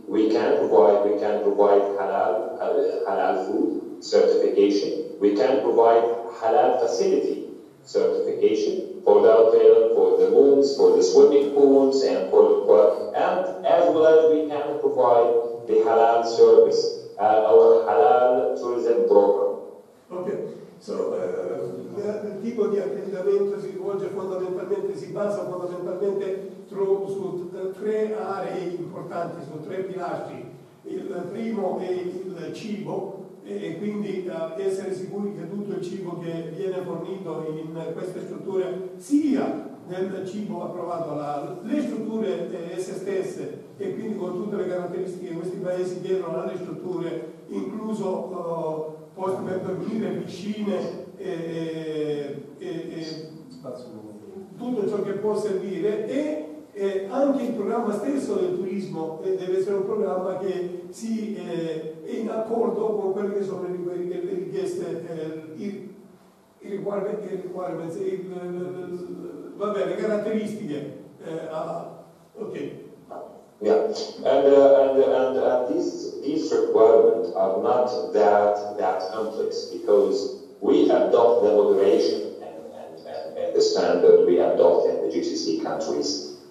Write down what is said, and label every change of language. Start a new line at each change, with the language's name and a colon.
English: We can provide halal food certification. We can provide halal facility certification for the hotel, for the rooms, for the swimming pools, and as well as we can provide the halal service. Our halal tourism program.
Italian: Okay, so il tipo di accreditamento si basa fondamentalmente su tre aree importanti, su tre pilastri. Il primo è il cibo, e quindi essere sicuri che tutto il cibo che viene fornito in queste strutture sia del cibo approvato le strutture esse stesse, e quindi con tutte le caratteristiche che questi paesi chiedono alle strutture, incluso posti per dormire, piscine e tutto ciò che può servire, e Anche il programma stesso del turismo deve essere un programma che si è in accordo con quelle che sono le richieste, le caratteristiche.
English: And these requirements are not that complex, because we adopt the moderation and the standard we adopt in the GCC countries.